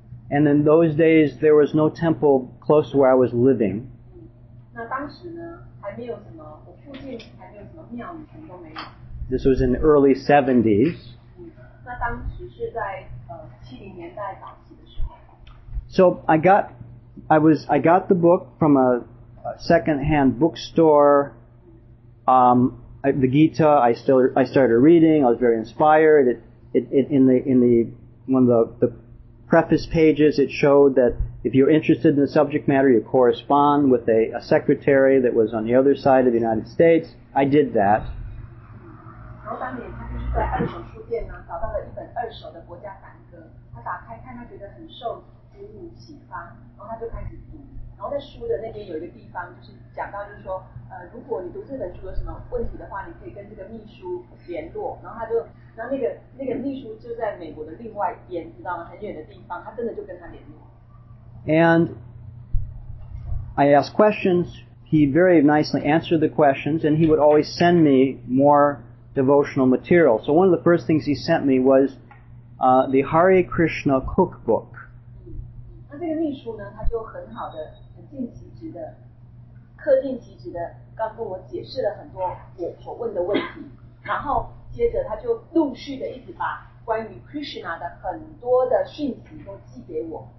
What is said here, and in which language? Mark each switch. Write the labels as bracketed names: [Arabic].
[English] And in those days, there was no temple close to where I was living. [Chinese] 那当时呢，还没有什么，我附近还没有什么庙宇，什么都没有。 [English] This was in the early 70s. [Chinese] 那当时是在70年代早期的时候。 [English] So I got the book from a second-hand bookstore. The Gita, I started reading. I was very inspired. In the preface pages, it showed that if you're interested in the subject matter, you correspond with a secretary that was on the other side of the United States. I did that. [Chinese] 然后当年他就是在二手书店呢，找到了一本二手的国家梵歌。他打开看，他觉得很受鼓舞启发，然后他就开始读。然后在书的那边有一个地方，就是讲到就是说。如果你读这本书有什么问题的话，你可以跟这个秘书联络。然后秘书就在美国的另外一边，知道吗？很远的地方，他真的就跟他联络。 [English] And I asked questions. He very nicely answered the questions, and he would always send me more devotional material. So one of the first things he sent me was the Hare Krishna cookbook. [Chinese] 那这个秘书呢，他就很好的、很尽职职的。恪尽其职的，刚跟我解释了很多我所问的问题，然后接着他就陆续的一直把关于 Krishna 的很多的讯息都寄给我。